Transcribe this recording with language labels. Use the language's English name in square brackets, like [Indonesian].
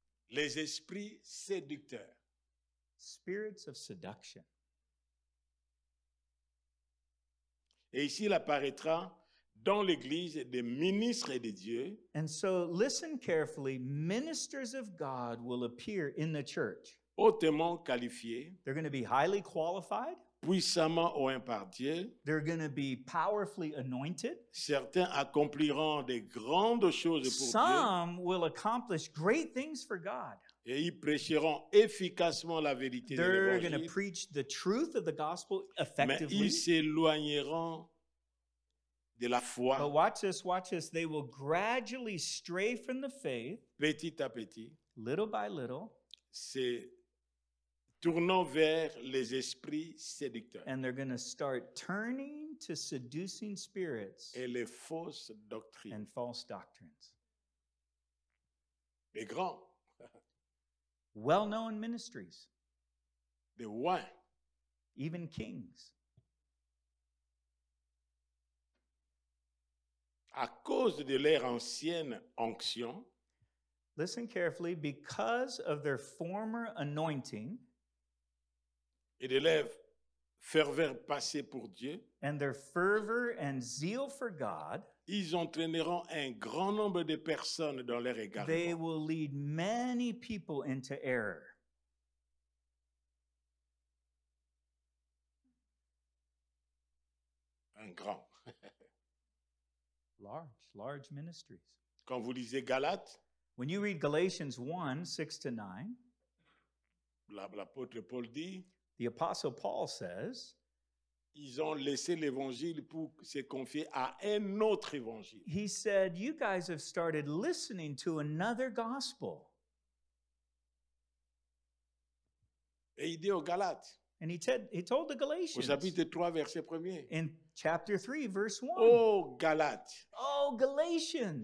[French] Les esprits séducteurs. [English] Spirits of seduction. [French] Et ici, il apparaîtra dans l'Église des ministres de Dieu. [English] And so, listen carefully, ministers of God will appear in the church. [French] Hautement qualifiés. [English] They're going to be highly qualified. [French] Puissamment oint par Dieu. [English] They're going to be powerfully anointed. [French] Certains accompliront des grandes choses pour [English] some [French] Dieu. [English] Some will accomplish great things for God. [French] Et ils prêcheront efficacement la vérité [English] they're [French] de l'Évangile. [English] They're going to preach the truth of the gospel effectively. [French] Mais ils s'éloigneront de la foi. [English] But watch this. They will gradually stray from the faith. [French] Petit à petit. [English] Little by little. [French] C'est tournant vers les esprits séducteurs. [English] And they're going to start turning to seducing spirits. [French] Et les fausses doctrines. [English] And false doctrines. [French] Les grands. [English] Well-known ministries. [French] Des rois. [English] Even kings. [French] À cause de leur ancienne onction. [English] Listen carefully, because of their former anointing. [French] Et de leur ferveur passée pour Dieu. [English] And their fervor and zeal for God. [French] Ils entraîneront un grand nombre de personnes dans leur égarement. [English] They will lead many people into error. [French] Un grand. [English] Large ministries. [French] Quand vous lisez Galates. [English] When you read Galatians 1, 6 to 9. [French] L'apôtre Paul dit. [English] The apostle Paul says. [French] Ils ont laissé l'évangile pour se confier à un autre évangile. [English] He said, you guys have started listening to another gospel. [French] Et il dit aux Galates. [English] And he told the Galatians. [French] Au chapitre 3, verset 1er. [English] In chapter 3, verse 1. [French] Oh, Galates. [English] Oh, Galatians.